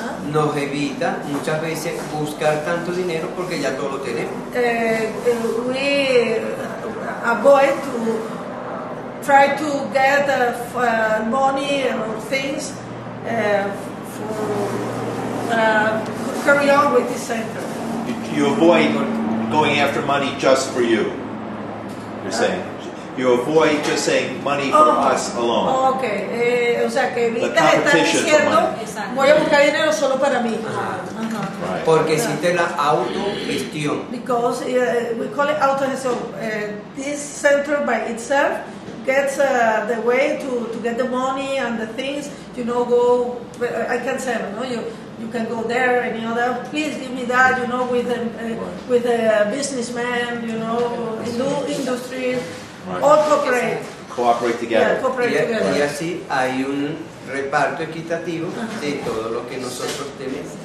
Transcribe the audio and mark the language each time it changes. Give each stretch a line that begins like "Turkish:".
Spanish: nos evita muchas veces buscar tanto dinero porque ya todo lo tenemos.
English: We avoid to try to get money or things to carry on with this center. You avoid going after money just for you, you're saying. You avoid just saying money for us alone. Oh, okay.
Spanish: O sea, que evitas estar diciendo, voy a buscar dinero solo para mí. Porque existe la autogestión.
English: Because we call it autogestión. This center by itself gets the way to get the money and the things. You know, go. I can sell. No, you can go there. Any other? Please give me that. You know, with a businessman. You know, industries. Right. All cooperate together. Yeah, cooperate together.
Spanish: Y así hay un reparto equitativo de todo lo que nosotros tenemos.